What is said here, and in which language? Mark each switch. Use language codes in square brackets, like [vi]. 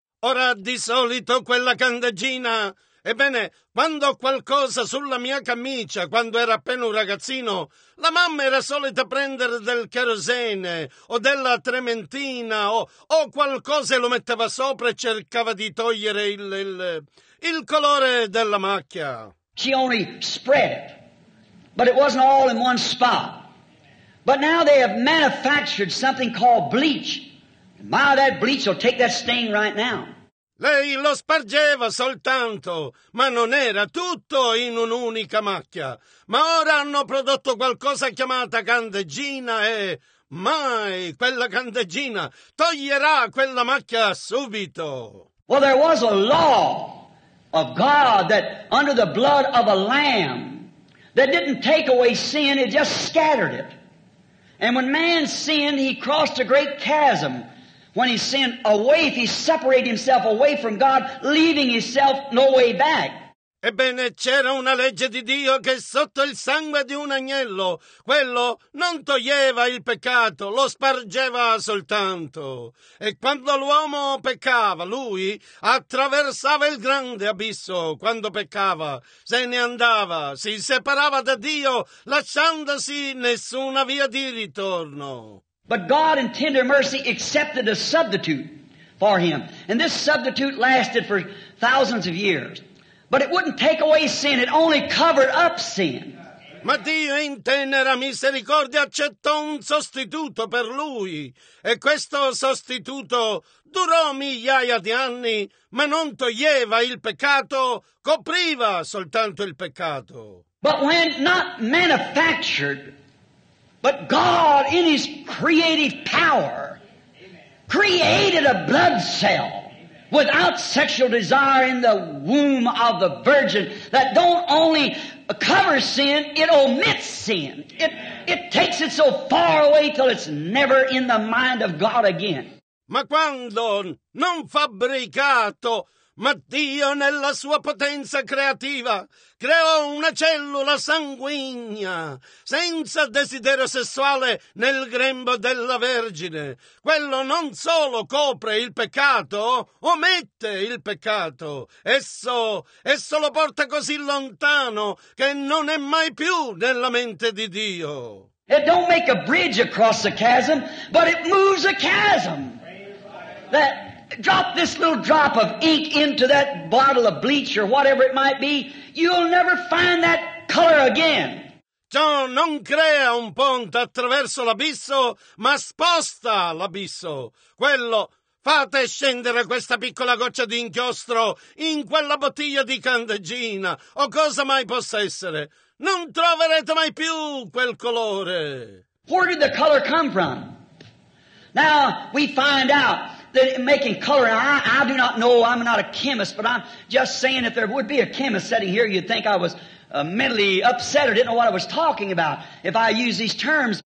[it] Ora, di solito, quella candeggina, ebbene, quando qualcosa sulla mia camicia, quando era appena un ragazzino, la mamma era solita prendere del kerosene o della trementina o qualcosa e lo metteva sopra e cercava di togliere il colore della macchia. [en] She only spread it, but it wasn't all in one spot. But now they have manufactured something called bleach. My, that bleach will take that stain right now. [it] Lei lo spargeva soltanto, ma non era tutto in un'unica macchia. Ma ora hanno prodotto qualcosa chiamata candeggina e mai quella candeggina toglierà quella macchia subito. [en] Well, there was a law of God that under the blood of a lamb that didn't take away sin, it just scattered it. And when man sinned, he crossed a great chasm. When he sinned away, if he separated himself away from God, leaving himself no way back. [it] Ebbene, c'era una legge di Dio che sotto il sangue di un agnello, quello non toglieva il peccato, lo spargeva soltanto. E quando l'uomo peccava, lui attraversava il grande abisso. Quando peccava, se ne andava, si separava da Dio, lasciandosi nessuna via di ritorno. [en] But God in tender mercy accepted a substitute for him. And this substitute lasted for thousands of years. But it wouldn't take away sin, it only covered up sin. [it] Ma Dio in tenera misericordia accettò un sostituto per lui. E questo sostituto durò migliaia di anni, ma non toglieva il peccato, copriva soltanto il peccato. [en] But when not manufactured, but God, in His creative power, created a blood cell without sexual desire in the womb of the virgin that don't only cover sin, it omits sin. It takes it so far away till it's never in the mind of God again. [it] Ma quando non fabbricato, ma Dio nella sua potenza creativa creò una cellula sanguigna senza desiderio sessuale nel grembo della Vergine. Quello non solo copre il peccato, omette il peccato. Esso lo porta così lontano che non è mai più nella mente di Dio. [en] It don't make a bridge across the chasm, but it moves a chasm that drop this little drop of ink into that bottle of bleach or whatever it might be, you'll never find that color again. [it] John, non crea un ponte attraverso l'abisso, ma sposta l'abisso. Quello, fate scendere questa piccola goccia di inchiostro in quella bottiglia di candeggina, o cosa mai possa essere. Non troverete mai più quel colore. [en] Where did the color come from? Now we find out that making color, I do not know, I'm not a chemist, but I'm just saying if there would be a chemist sitting here, you'd think I was mentally upset or didn't know what I was talking about if I use these terms.